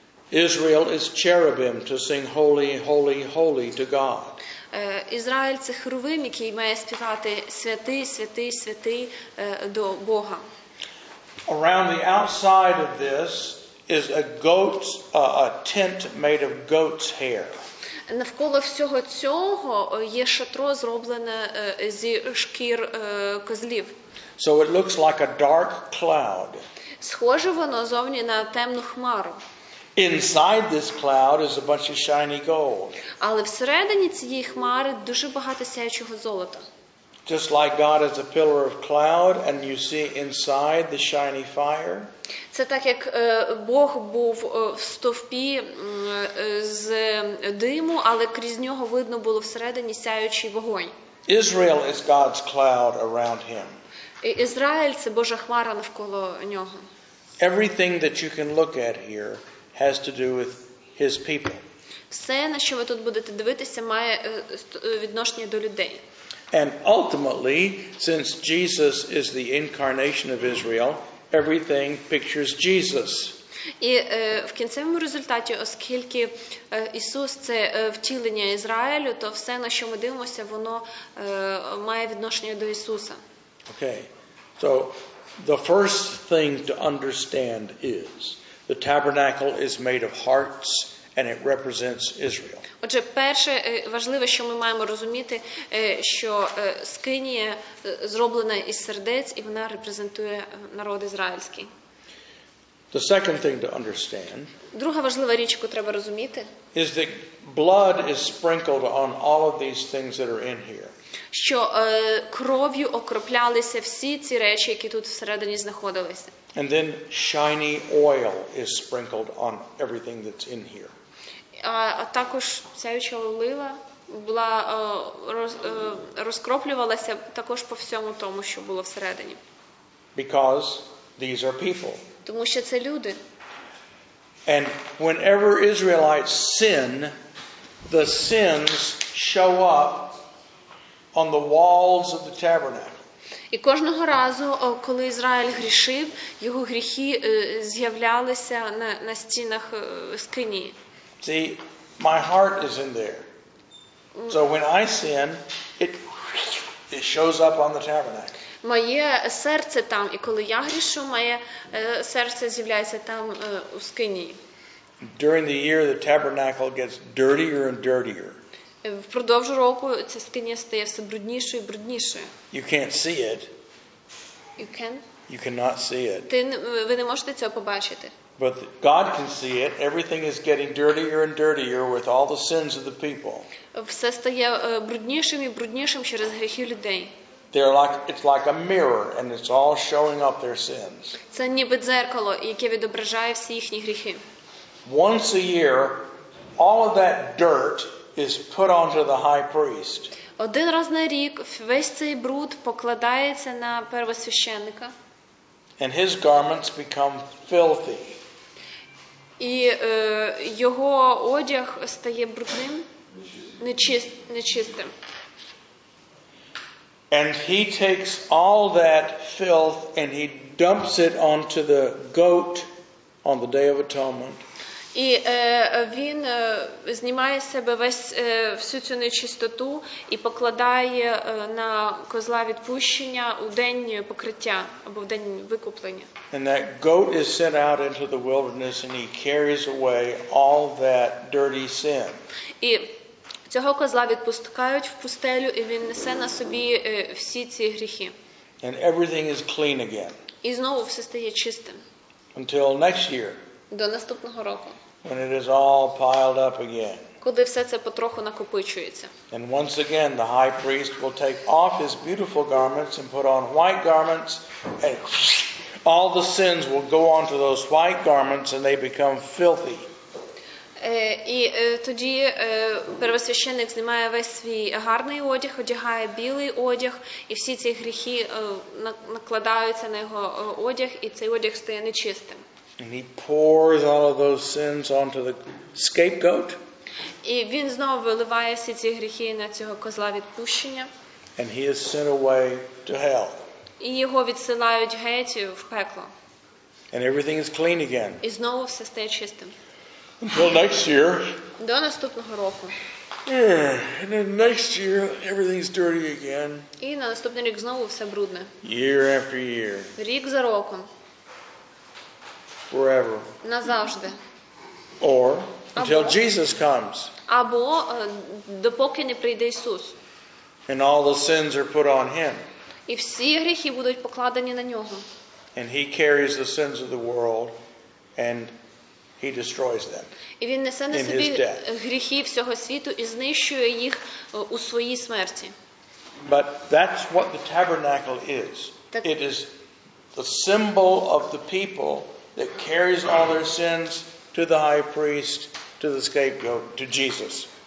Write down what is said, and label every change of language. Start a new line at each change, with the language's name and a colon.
English: Israel is cherubim to sing holy, holy, holy to God.
Ukrainian: Ізраїль – це херувим, який має співати святий, святий, святий до Бога.
English: Around the outside of this is a goat's a tent made of goat's hair.
Ukrainian: Навколо всього цього є шатро зроблене зі шкір козлів.
English: So it looks like a dark cloud.
Ukrainian: Схоже воно зовні на темну хмару.
English: Inside this cloud is a bunch of shiny gold.
Ukrainian: Але всередині цієї хмари дуже багато сяючого золота.
English: Just like God is a pillar of cloud and you see inside the shiny fire.
Ukrainian: Це так як Бог був в стовпі з диму, але крізь нього видно було всередині сяючий вогонь.
English: Israel is God's cloud around him.
Ukrainian: Ізраїль – це Божа хмара навколо нього.
English: Everything that you can look at here has to do with his people.
Ukrainian: Все, на що ви тут будете дивитися, має відношення до людей.
English: And ultimately, since Jesus is the incarnation of Israel, everything pictures Jesus.
Ukrainian: І в кінцевому результаті, оскільки Ісус – це втілення Ізраїлю, то все, на що ми дивимося, воно має відношення до Ісуса.
English: Okay. So, the first thing to understand is the tabernacle is made of hearts and it represents Israel.
Ukrainian: Отже, перше важливе, що ми маємо розуміти, що скинія зроблена із сердець і вона репрезентує народ ізраїльський.
English: The second thing to understand.
Ukrainian: Друга важлива річ, яку треба розуміти.
English: Is that blood is sprinkled on all of these things that are in here.
Ukrainian: Що кров'ю окроплялися всі ці речі, які тут всередині знаходилися.
English: And then shiny oil is sprinkled on everything that's in here.
Ukrainian: А також сяюча олива була розкроплювалася також по всьому тому, що було всередині.
English: Because these are people.
Ukrainian: Тому що це люди.
English: And whenever Israelites sin, the sins show up on the walls of the tabernacle.
Ukrainian: І кожного разу, коли Ізраїль грішив, його гріхи з'являлися на стінах скинії.
English: See, my heart is in there. So when I sin, it shows up on the tabernacle.
Ukrainian: Моє серце там, і коли я грішу, моє серце з'являється там у скинії.
English: During the year the tabernacle gets dirtier and dirtier.
Ukrainian: Впродовж року ця скиня стає все бруднішою і бруднішою.
English: You can't see it. You can? You cannot see it.
Ukrainian: Ви не можете цього побачити.
English: But God can see it. Everything is getting dirtier and dirtier with all the sins of the people.
Ukrainian: Все стає бруднішим і бруднішим через гріхи людей.
English: They're like, it's like a mirror and it's all showing up their sins.
Ukrainian: Це ніби дзеркало, яке відображає всі їхні гріхи.
English: Once a year, all of that dirt is put onto the high priest.
Ukrainian: Один раз на рік весь цей бруд покладається на первосвященника.
English: And his garments become filthy.
Ukrainian: І його одяг стає брудним, нечистим.
English: And he takes all that filth and he dumps it onto the goat on the Day of Atonement.
Ukrainian: І він знімає з себе весь всю цю нечистоту і покладає на козла відпущення у день покриття або в день викуплення.
English: And that goat is sent out into the wilderness and he carries away all that dirty sin.
Ukrainian: І цього козла відпускають в пустелю, і він несе на собі всі ці гріхи.
English: And everything is clean again.
Ukrainian: І знову все стає чистим.
English: Until next year.
Ukrainian: До наступного року.
English: When it is all piled up again.
Ukrainian: Коли все це потроху накопичується.
English: And once again the high priest will take off his beautiful garments and put on white garments and all the sins will go onto those white garments and they become filthy.
Ukrainian: І тоді первосвященик знімає весь свій гарний одяг, одягає білий одяг, і всі ці гріхи накладаються на його одяг, і цей одяг стає нечистим.
English: And he pours all of those sins onto the scapegoat.
Ukrainian: І він знову виливає всі ці гріхи на цього козла відпущення.
English: And he is sent away to hell.
Ukrainian: І його відсилають геть в пекло.
English: And everything is clean again.
Ukrainian: І знову все стає чистим.
English: Until next year.
Ukrainian: До наступного року.
English: And then next year everything's dirty again.
Ukrainian: І на наступний рік знову все брудне.
English: Year after year.
Ukrainian: Рік за роком.
English: Forever.
Ukrainian: Назавжди.
English: Or until Jesus comes.
Ukrainian: Або допоки не прийде Ісус.
English: And all the sins are put on him.
Ukrainian: І всі гріхи будуть покладені на нього.
English: And he carries the sins of the world and he destroys them.
Ukrainian: І він несе на собі гріхи всього світу і знищує їх у своїй смерті.
English: But that's what the tabernacle is. It is the symbol of the people that carries all their sins to the high priest, to the scapegoat, to Jesus.